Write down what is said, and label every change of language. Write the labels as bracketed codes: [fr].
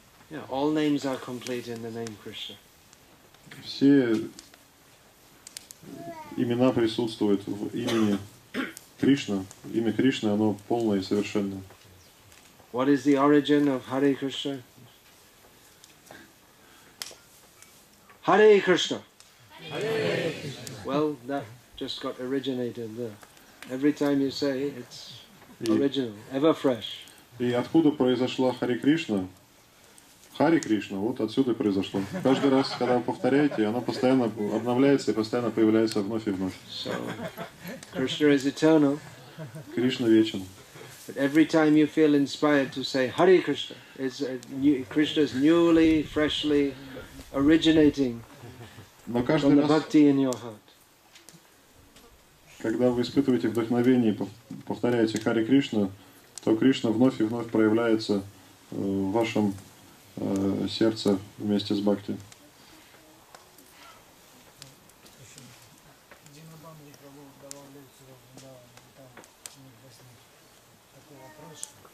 [en] Yeah, all names are complete in the name Krishna. [ru] Все имена присутствуют в имени Кришна. Имя Кришны, оно полное и совершенное. [en] What is the origin of Hare Krishna? Hare Krishna! Hare Krishna! Well, that just got originated there. Every time you say it's original, ever fresh. [ru] И откуда произошла Hare Krishna? Харе Кришна, вот отсюда и произошло. Каждый раз, когда вы повторяете, оно постоянно обновляется и постоянно появляется вновь и вновь. [en] So, Krishna is eternal. [ru] Кришна вечен. [en] But every time you feel inspired to say Hare Krishna, it's Krishna's newly, freshly originating from the bhakti in your heart. [ru] Когда вы испытываете вдохновение и повторяете Харе Кришна, то Кришна вновь и вновь проявляется в вашем сердце вместе с бхакти. Дима Банди давал лекцию в Вриндаване, и там у них возник такой вопрос.